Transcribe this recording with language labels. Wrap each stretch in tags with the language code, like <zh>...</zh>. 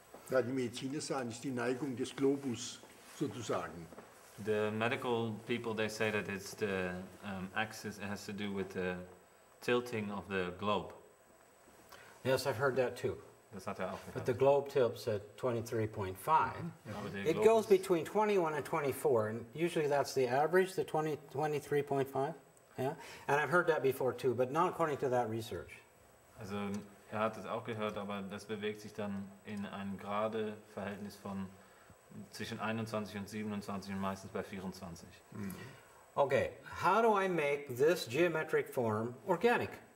<de>Ja, die Mediziner sagen, ist die Neigung des Globus sozusagen.</de> <en>The medical people, they say that it's the axis, it has to do with the tilting of the globe. Yes, I've heard that too.</en> <de>Das hat auch gehört.</de> <en>But the globe tilts at 23.5. Mm-hmm. It goes between 21 and 24, and usually that's the average, the 23.5. Yeah? And I've heard that before too, but not according to that research.</en> <de>Also, er hat das auch gehört, aber das bewegt sich dann in ein gerade Verhältnis von zwischen 21 und 27 und meistens bei 24.</de> <en>Okay, how do I make this geometric form organic?</en>